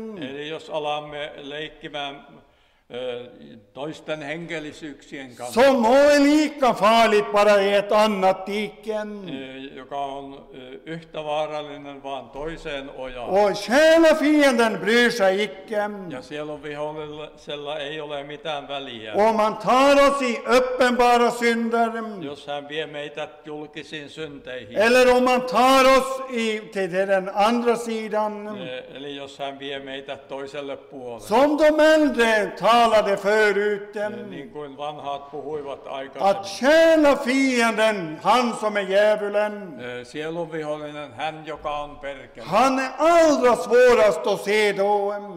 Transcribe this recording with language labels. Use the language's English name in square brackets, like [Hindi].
[Finnish] Eli jos alamme leikkimään toisten henkellisyyksien kanssa. [Swedish] Som är lika farligt bara i ett annat diken. [Finnish] Joka on yhtä vaarallinen vaan toiseen ojaan. [Swedish] Och själva fienden bryr sig icke. [Finnish] Ja sielun vihollisella ei ole mitään väliä. [Swedish] Och man tar oss i uppenbara synder. [Finnish] Jos hän vie meitä julkisiin synteihin. [Swedish] Eller om man tar oss i till den andra sidan. [Finnish] Eli jos hän vie meitä toiselle puolelle. [Swedish] Som de äldre talade förut, [Finnish] niin kuin vanhat puhuivat aikaisemmin. [Swedish] Att tjäna fienden, han som är djävulen. [Finnish] Sielun vihollinen, hän joka on perkele. [Swedish] Han är allra svårast att se då.